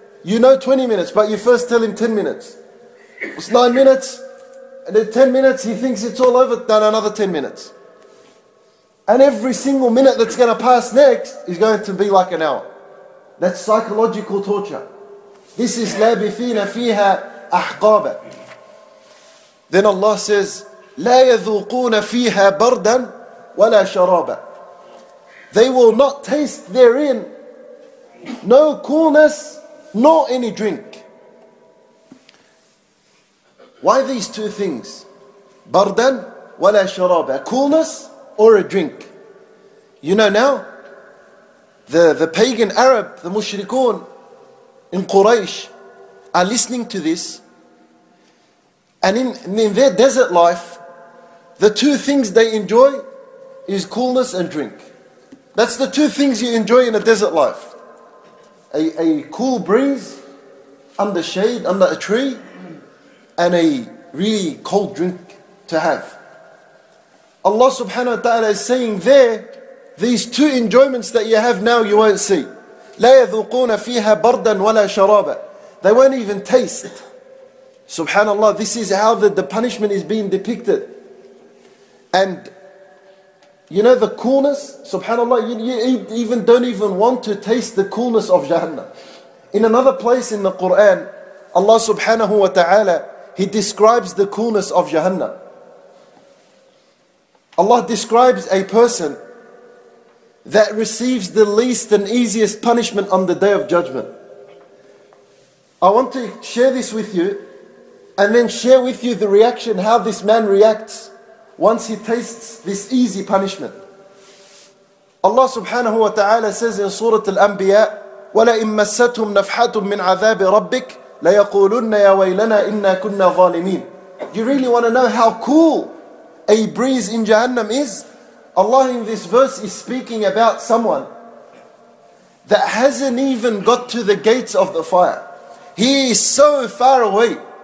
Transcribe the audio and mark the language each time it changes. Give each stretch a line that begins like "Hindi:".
English: You know 20 minutes, but you first tell him 10 minutes. It's 9 minutes, and then 10 minutes, he thinks it's all over, done another 10 minutes. And every single minute that's going to pass next is going to be like an hour. That's psychological torture. This is
Arabic: لَابِثِينَ فِيهَا أَحْقَابًا.
English: Then Allah says,
Arabic: لَا يَذُوقُونَ فِيهَا بَرْدًا وَلَا شَرَابًا.
English: They will not taste therein no coolness nor any drink. Why these two things?
Arabic: بَرْدًا وَلَا شَرَابًا.
English: Coolness or a drink. You know now, the pagan Arab, the mushrikun in Quraysh, are listening to this. And in their desert life, the two things they enjoy is coolness and drink. That's the two things you enjoy in a desert life. A cool breeze under shade, under a tree, and a really cold drink to have. Allah subhanahu wa ta'ala is saying there, these two enjoyments that you have now, you won't see.
Arabic: لا يذوقون فيها بردا ولا شرابا.
English: They won't even taste. Subhanallah, this is how the punishment is being depicted. And you know the coolness? Subhanallah, you don't even want to taste the coolness of Jahannam. In another place in the Quran, Allah subhanahu wa ta'ala, He describes the coolness of Jahannam. Allah describes a person that receives the least and easiest punishment on the Day of Judgment. I want to share this with you and then share with you the reaction, how this man reacts once he tastes this easy punishment. Allah subhanahu wa ta'ala says in Surah Al-Anbiya,
Arabic: وَلَئِن مَسَّتْهُمْ نَفْحَةٌ مِّنْ عَذَابِ رَبِّكَ لَيَقُولُنَّ يَا وَيْلَنَا إِنَّا كُنَّا ظَالِمِينَ.
English: You really want to know how cool a breeze in Jahannam is? Allah in this verse is speaking about someone that hasn't even got to the gates of the fire. He is so far away.